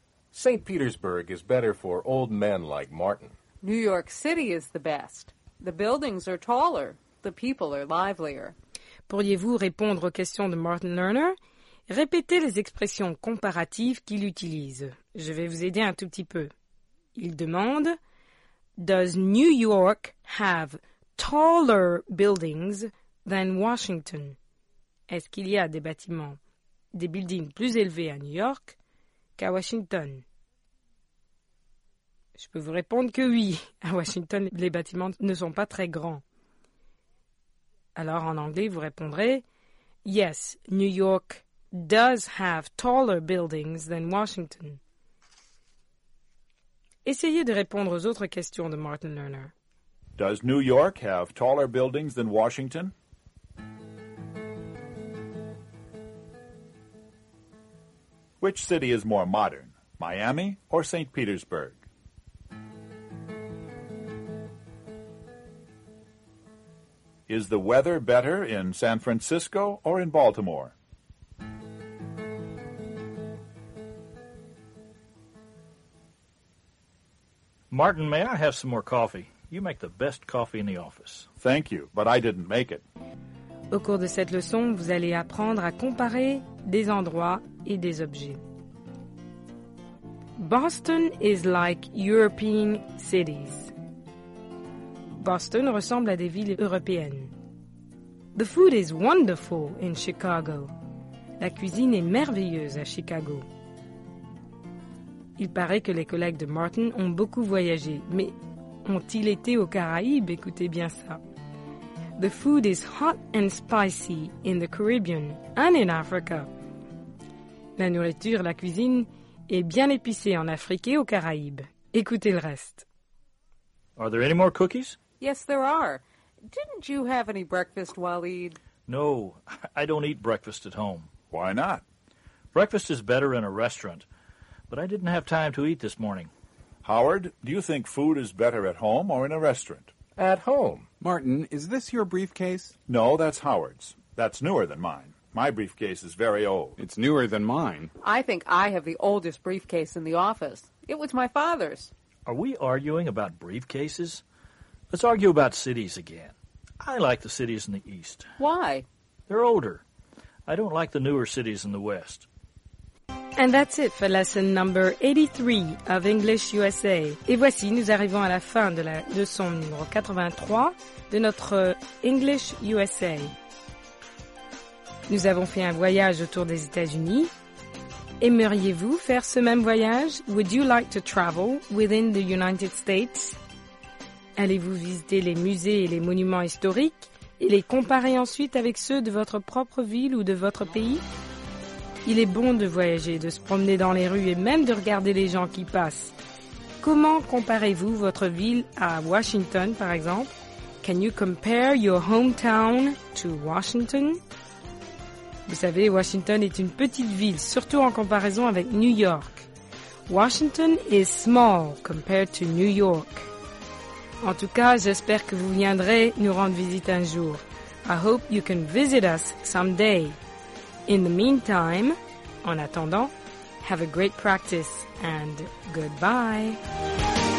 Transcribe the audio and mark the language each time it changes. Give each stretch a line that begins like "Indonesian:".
English: St. Petersburg is better for old men like Martin. New York City is the best. The buildings are taller. The people are livelier.
French: Pourriez-vous répondre aux questions de Martin Lerner? Répétez les expressions comparatives qu'il utilise. Je vais vous aider un tout petit peu. Il demande,
English: Does New York have taller buildings than Washington?
French: Est-ce qu'il y a des bâtiments, des buildings plus élevés à New York qu'à Washington? Je peux vous répondre que oui. À Washington, les bâtiments ne sont pas très grands. Alors en anglais, vous répondrez,
English: Yes, New York does have taller buildings than Washington.
French: Essayez de répondre aux autres questions de Martin Lerner.
English: Does New York have taller buildings than Washington? Which city is more modern, Miami or St. Petersburg? Is the weather better in San Francisco or in Baltimore? Martin, may I have some more coffee? You make the best coffee in the office. Thank you, but I didn't make it.
French: Au cours de cette leçon, vous allez apprendre à comparer des endroits et des objets.
English: Boston is like European cities.
French: Boston ressemble à des villes européennes.
English: The food is wonderful in Chicago.
French: La cuisine est merveilleuse à Chicago. Il paraît que les collègues de Martin ont beaucoup voyagé, mais ont-ils été aux Caraïbes? Écoutez bien ça.
English: The food is hot and spicy in the Caribbean and in Africa.
French: La nourriture, la cuisine, est bien épicée en Afrique et aux Caraïbes. Écoutez le reste.
English: Are there any more cookies? Yes, there are. Didn't you have any breakfast, Waleed? No, I don't eat breakfast at home. Why not? Breakfast is better in a restaurant, but I didn't have time to eat this morning. Howard, do you think food is better at home or in a restaurant? At home. Martin, is this your briefcase? No, that's Howard's. That's newer than mine. My briefcase is very old. It's newer than mine. I think I have the oldest briefcase in the office. It was my father's. Are we arguing about briefcases? Let's argue about cities again. I like the cities in the east. Why? They're older. I don't like the newer cities in the west. And that's it for lesson number 83 of English USA.
French: Et voici, nous arrivons à la fin de la leçon numéro 83 de notre English USA. Nous avons fait un voyage autour des États-Unis. Aimeriez-vous faire ce même voyage?
English: Would you like to travel within the United States?
French: Allez-vous visiter les musées et les monuments historiques et les comparer ensuite avec ceux de votre propre ville ou de votre pays? Il est bon de voyager, de se promener dans les rues et même de regarder les gens qui passent. Comment comparez-vous votre ville à Washington, par exemple?
English: Can you compare your hometown to Washington?
French: Vous savez, Washington est une petite ville, surtout en comparaison avec New York.
English: Washington is small compared to New York.
French: En tout cas, j'espère que vous viendrez nous rendre visite un jour.
English: I hope you can visit us someday. In the meantime,
French: en attendant,
English: have a great practice and goodbye.